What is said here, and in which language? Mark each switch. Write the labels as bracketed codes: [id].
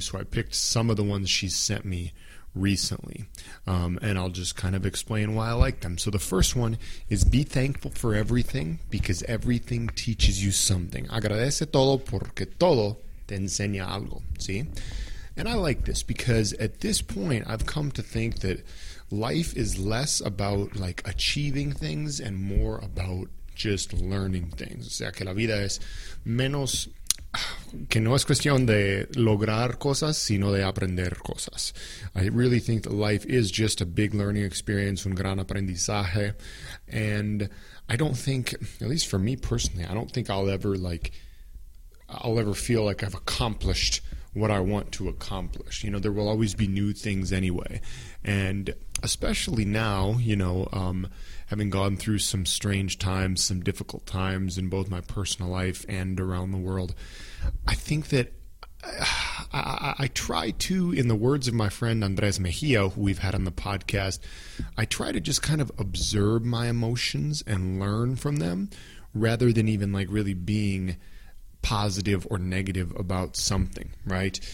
[en] So I picked some of the ones she sent me recently, and I'll just kind of explain why I like them. So the first one is, be thankful for everything because everything teaches you something. [es] Agradece todo porque todo te enseña algo. See? [en] And I like this because at this point, I've come to think that life is less about like achieving things and more about just learning things. [es] O sea, que la vida es menos, que no es cuestión de lograr cosas, sino de aprender cosas. [en] I really think that life is just a big learning experience, [es] un gran aprendizaje. [en] And I don't think, at least for me personally, I don't think I'll ever feel like I've accomplished what I want to accomplish. You know, there will always be new things anyway. And especially now, you know, having gone through some strange times, some difficult times in both my personal life and around the world, I think that I try to, in the words of my friend Andres Mejia, who we've had on the podcast, I try to just kind of observe my emotions and learn from them rather than even like really being positive or negative about something, right?